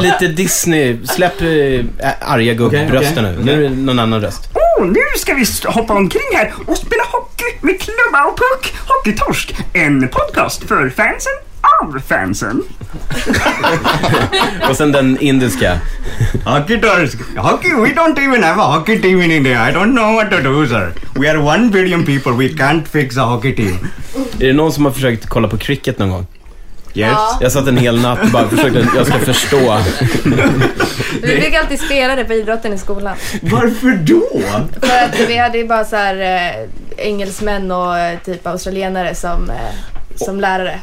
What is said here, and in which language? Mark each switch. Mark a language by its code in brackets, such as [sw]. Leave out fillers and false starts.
[sv] Lite Disney, släpp arga gubbrösten nu. Nu är det någon annan röst. Oh, nu ska vi hoppa omkring här och spela hockey med klubba och puck. Hockeytorsk, en podcast för fansen av fansen. Och sen den indiska. Hockeytorsk. [en] Hockey, we don't even have a hockey team in India. I don't know what to do, sir. We are 1 billion people. We can't fix a hockey team. [sv] Är det någon som har försökt kolla på cricket någon gång? Yes. Ja. Jag satt en hel natt och bara försökte att jag ska förstå. Vi fick alltid spela det på idrotten i skolan. Varför då? För att vi hade ju bara så här engelsmän och typ australienare som lärare.